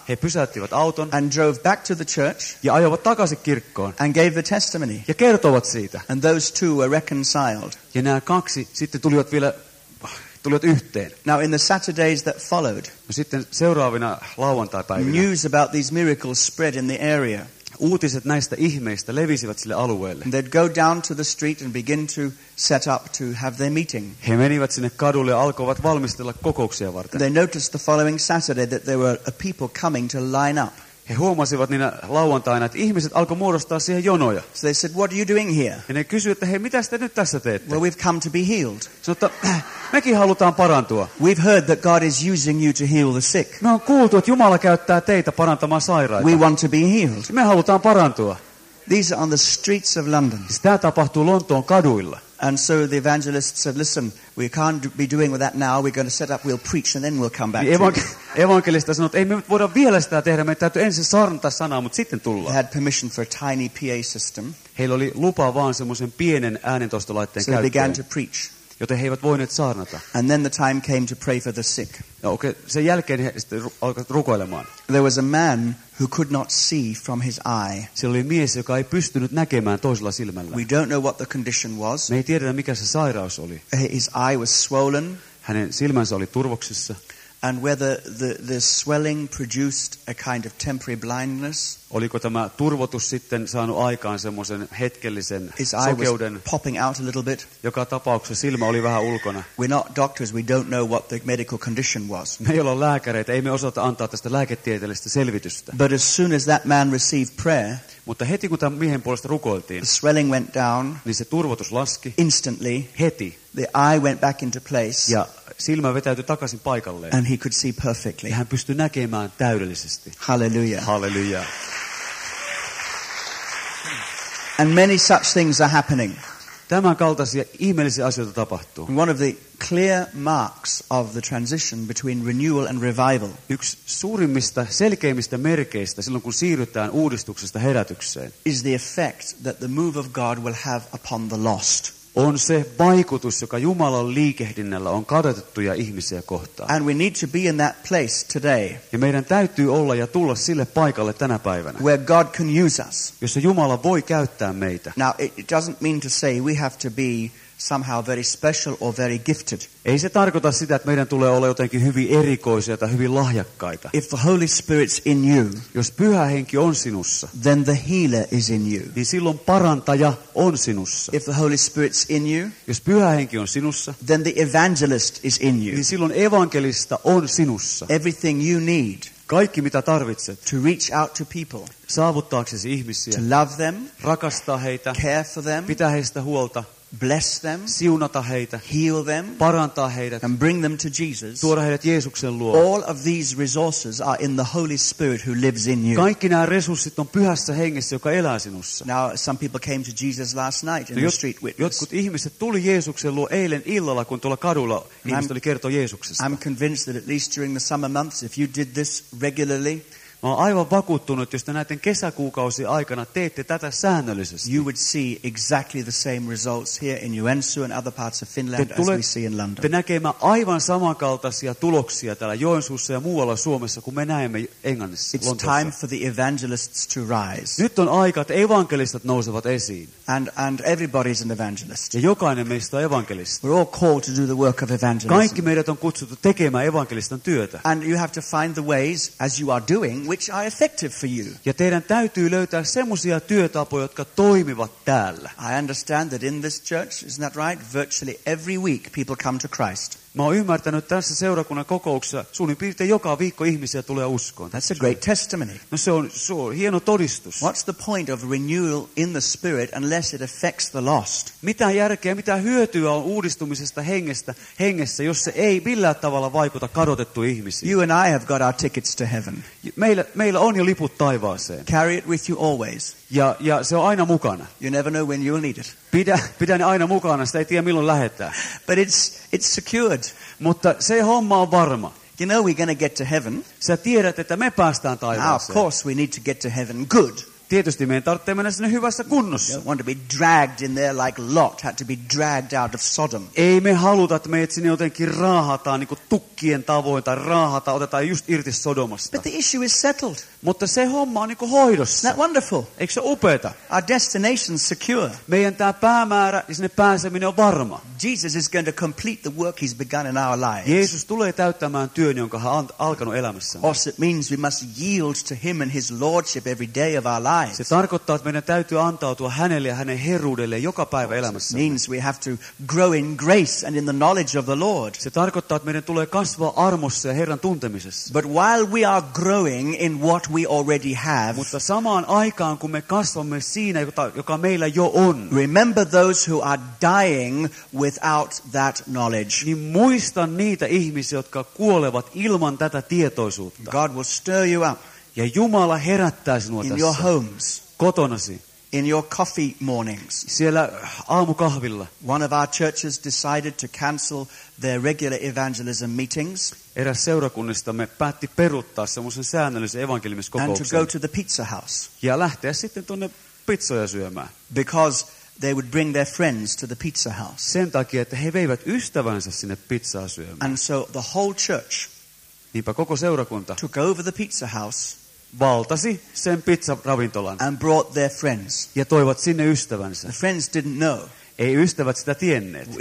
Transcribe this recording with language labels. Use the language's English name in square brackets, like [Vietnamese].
[Finnish] He pysäyttivät auton. [English] And drove back to the church. [Finnish] Ja ajoivat takaisin kirkkoon. [English] And gave the testimony. [Finnish] Ja kertovat siitä. [English] And those two were reconciled. [Finnish] Ja nämä kaksi sitten tulivat yhteen. [English] Now in the Saturdays that followed, [Finnish] sitten seuraavina lauantaipäivinä, [English] news about these miracles spread in the area. [Finnish] Uutiset näistä ihmeistä levisivät sille alueelle. [English] And they'd go down to the street and begin to set up to have their meeting. [Finnish] He menivät sinne kadulle ja alkoivat valmistella kokouksia varten. [English] They noticed the following Saturday that there were a people coming to line up. [Finnish] He huomasivat niinä lauantaina, että ihmiset alkoi muodostaa siihen jonoja. [English] So they said, what are you doing here? [Finnish] Ja ne kysyivät, että hei, mitä te nyt tässä teette? [English] Well, we've come to be healed. [Finnish] Sanotaan, mekin halutaan parantua. [English] We've heard that God is using you to heal the sick. [Finnish] Me on kuultu, että Jumala käyttää teitä parantamaan sairaita. [English] We want to be healed. [Finnish] Me halutaan parantua. [English] These are on the streets of London. [Finnish] Tämä tapahtuu Lontoon kaduilla. [English] And so the evangelist said, listen, we can't be doing with that now. We're going to set up, we'll preach, and then we'll come back. [Finnish] Evankelista sanoi, että ei me voida vielä sitä tehdä. Me täytyy ensin saarnata sanaa, mutta sitten tullaan. [English] They had permission for a tiny PA system. [Finnish] Heillä oli lupa vaan semmoisen pienen äänentoistolaitteen käyttöön. [English] So they began to preach. [Finnish] Joten he eivät voineet saarnata. [English] And then the time came to pray for the sick. [Finnish] No, okay. Sen jälkeen he sitten alkoivat rukoilemaan. [English] There was a man who could not see from his eye. [Finnish] Siellä oli mies, joka ei pystynyt näkemään toisella silmällä. [English] We don't know what the condition was. [Finnish] Me ei tiedetä, mikä se sairaus oli. [English] His eye was swollen. [Finnish] Hänen silmänsä oli turvoksissa. [English] And whether the swelling produced a kind of temporary blindness. [Finnish] Oliko tämä turvotus sitten saanut aikaan semmoisen hetkellisen sokeuden? [English] His eye was popping out a little bit. [Finnish] Joka tapauksessa silmä oli vähän ulkona. [English] We're not doctors, we don't know what the medical condition was. [Finnish] Me ei olla lääkäreitä, ei me osata antaa tästä lääketieteellistä selvitystä. [English] But as soon as that man received prayer. [Finnish] Mutta heti kun tämän miehen puolesta rukoiltiin. [English] The swelling went down. [Finnish] Niin se turvotus laski. [English] Instantly. [Finnish] Heti. [English] The eye went back into place. [Finnish] Ja silmä vetäytyi takaisin paikalleen. [English] And he could see perfectly. [Finnish] Ja hän pystyi näkemään täydellisesti. [English] Hallelujah. [Finnish] Hallelujah. [English] And many such things are happening. [Finnish] Tämän kaltaisia ihmeellisiä asioita tapahtuu. [English] One of the clear marks of the transition between renewal and revival. [Finnish] Yksi suurimmista, selkeimmistä merkeistä silloin kun siirrytään uudistuksesta herätykseen. [English] Is the effect that the move of God will have upon the lost. [Finnish] On se vaikutus, joka Jumalan liikehdinnällä on kadotettuja ihmisiä kohtaan. [English] And we need to be in that place today. [Finnish] Ja meidän täytyy olla ja tulla sille paikalle tänä päivänä. [English] Where God can use us. [Finnish] Jossa Jumala voi käyttää meitä. [English] Now it doesn't mean to say we have to be somehow very special or very gifted. [Finnish] Ei se tarkoita sitä, että meidän tulee olla jotenkin hyvin erikoisia tai hyvin lahjakkaita. [English] If the Holy Spirit's in you, [Finnish] jos Pyhä Henki on sinussa, [English] then the healer is in you. [Finnish] Niin silloin parantaja on sinussa. [English] If the Holy Spirit's in you, [Finnish] jos Pyhä Henki on sinussa, [English] then the evangelist is in you. [Finnish] Niin silloin evankelista on sinussa. [English] Everything you need. [Finnish] Kaikki mitä tarvitset. [English] To reach out to people. [Finnish] Saavuttaaksesi ihmisiä. [English] To love them. [Finnish] Rakastaa heitä. [English] Care for them. [Finnish] Pitää heistä huolta. [English] Bless them. [Finnish] Siunata heitä. [English] Heal them. [Finnish] Parantaa heidät. [English] And bring them to Jesus. [Finnish] Tuoda heidät Jeesuksen luo. [English] All of these resources are in the Holy Spirit who lives in you. [Finnish] Kaikki nämä resurssit on pyhässä hengessä, joka elää sinussa. [English] Now some people came to Jesus last night in the street witness. [Finnish] Jotkut ihmiset tuli Jeesuksen luo eilen illalla, kun tuolla kadulla ihmiset oli kertoa Jeesuksesta. [English] I'm convinced that at least during the summer months, if you did this regularly, [Finnish] mä oon aivan vakuuttunut, jos te näiden kesäkuukausien aikana teette tätä säännöllisesti. [English] You would see exactly the same results here in Joensuu and other parts of Finland as we see in London. [Finnish] Te näkemään aivan samankaltaisia tuloksia täällä Joensuussa ja muualla Suomessa, kuin me näemme Englannissa, [English] It's [Finnish] Lontossa. [English] Time for the evangelists to rise. [Finnish] Nyt on aika, että evankelistat nousevat esiin. [English] And everybody's an evangelist. [Finnish] Ja jokainen meistä on evankelista. [English] We're all called to do the work of evangelism. [Finnish] Kaikki meidät on kutsuttu tekemään evankelistan työtä. [English] And you have to find the ways, as you are doing, which are effective for you. [Finnish] Ja teidän täytyy löytää semmoisia työtapoja, jotka toimivat täällä. [English] I understand that in this church, isn't that right? Virtually every week people come to Christ. [Finnish] Mä oon ymmärtänyt tässä seurakunnan kokouksessa, suurin piirtein joka viikko ihmisiä tulee uskoon. [English] That's a great testimony. [Finnish] No se on hieno todistus. [English] What's the point of renewal in the spirit unless it affects the lost? [Finnish] Mitä järkeä, mitä hyötyä on uudistumisesta hengessä, jos se ei millään tavalla vaikuta kadotettuun ihmisiin? [English] You and I have got our tickets to heaven. [Finnish] Meillä on jo liput taivaaseen. [English] Carry it with you always. [Finnish] Ja se on aina mukana. [English] You never know when you'll need it. [Finnish] Pidä ne aina mukana, sitä ei tiedä milloin lähettää. [English] But it's secured. [Finnish] Mutta se homma on varma. [English] You know we're going to get to heaven. [Finnish] Sä tiedät, että me päästään taivaaseen. [English] Now of course we need to get to heaven good. [Finnish] Tietysti meidän tarvitsee mennä sinne hyvässä kunnossa. [English] Don't want to be dragged in there like Lot had to be dragged out of Sodom. [Finnish] Ei me haluta, että meidät sinne jotenkin raahataan, niin kuin tukkien tavoin, tai raahataan, otetaan just irti Sodomasta. [English] But the issue is settled. [Finnish] Mutta se homma on niin kuin hoidossa. [English] Isn't that wonderful? [Finnish] Eikö se upeeta? [English] Our destination's secure. [Finnish] Meidän tämä päämäärä ja sinne pääseminen on varma. [English] Jesus is going to complete the work he's begun in our lives. [Finnish] Jeesus tulee täyttämään työn, jonka hän on alkanut elämässä. [English] Or it means we must yield to him and his lordship every day of our lives. [Finnish] Se tarkoittaa, että meidän täytyy antautua hänelle ja hänen heruudelle joka päivä elämässä. [English] Means we have to grow in grace and in the knowledge of the Lord. [Finnish] Se tarkoittaa, että meidän tulee kasvaa armossa ja Herran tuntemisessa. [English] But while we are growing in what we already have. [Finnish] Mutta samaan aikaan, kun me kasvamme siinä, joka meillä jo on. [English] Remember those who are dying without that knowledge. [Finnish] Niin muista niitä ihmisiä, jotka kuolevat ilman tätä tietoisuutta. [English] God will stir you up. [Finnish] Ja Jumala herättää sinua [English] in [Finnish] tässä. [English] In your homes. [Finnish] Kotonasi. [English] In your coffee mornings. [Finnish] Siellä aamukahvilla. [English] One of our churches decided to cancel their regular evangelism meetings. [Finnish] Eräs seurakunnistamme päätti peruuttaa semmoisen säännöllisen evankeliumiskokouksen. [English] And to go to the pizza house. [Finnish] Ja lähteä sitten tuonne pizzoja syömään. [English] Because they would bring their friends to the pizza house. [Finnish] Sen takia, että he veivät ystävänsä sinne pizzaa syömään. [English] And so the whole church. [Finnish] Niinpä koko seurakunta. [English] Took over the pizza house. [Finnish] Valtasi sen pizzaravintolan. [English] And brought their friends. [Finnish] Ja toivat sinne ystävänsä. [English] The friends didn't know. [Finnish] Ei ystävät sitä tienneet.